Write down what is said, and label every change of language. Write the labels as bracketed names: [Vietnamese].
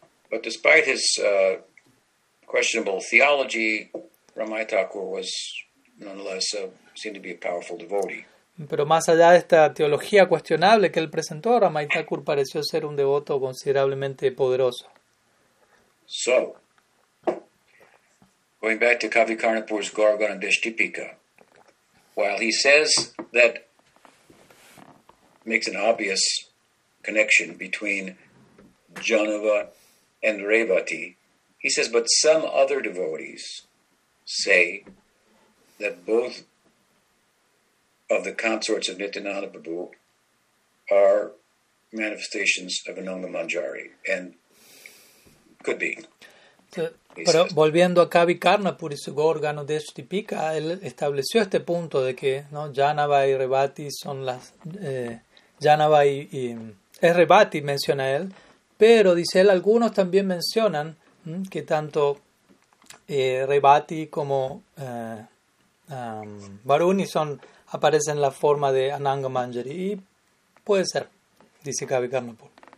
[English] But despite his questionable theology, Ramai Thakur was nonetheless seemed to be a powerful devotee. [Spanish] Pero más allá de esta teología cuestionable que él presentó, Ramai Thakur pareció ser un devoto considerablemente poderoso. [English] So, going back to Kavi Karnapur's Gorgon and Deshtipika, while he says that makes an obvious connection between Janava and Revati, he says, but some other devotees say that both of the consorts of Nityananda Prabhu are manifestations of Ananga Manjari, and could be. [Spanish] Pero volviendo a Kavi Karnapur y su Gorgano Deshtipika, él estableció este punto de que no Janava y Revati son las Janava y es Revati, menciona él, pero dice él, algunos también mencionan que tanto Revati como Varuni son aparecen en la forma de Ananga Manjari, y puede ser, dice Kavi Karnapur.